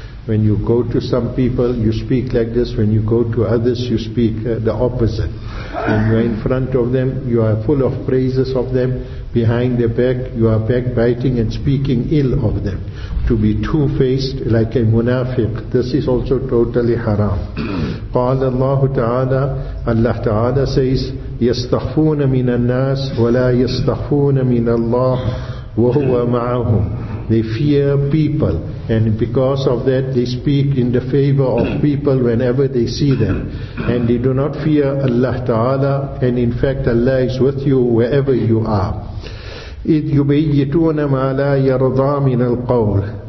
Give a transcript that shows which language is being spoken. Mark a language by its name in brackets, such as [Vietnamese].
[English] When you go to some people, you speak like this. When you go to others, you speak the opposite. When you are in front of them, you are full of praises of them. Behind their back, you are backbiting and speaking ill of them. To be two-faced like a munafiq, this is also totally haram. [Arabic] قال الله تعالى, [English] Allah Ta'ala says, [Arabic] يستخفون من الناس ولا يستخفون من الله وهو معهم. [English] They fear people, and because of that they speak in the favor of people whenever they see them. And they do not fear Allah Ta'ala, and in fact Allah is with you wherever you are. [Arabic] إِذْ يُبَيِّتُونَ مَا لَا يَرْضَى مِنَ الْقَوْلِ.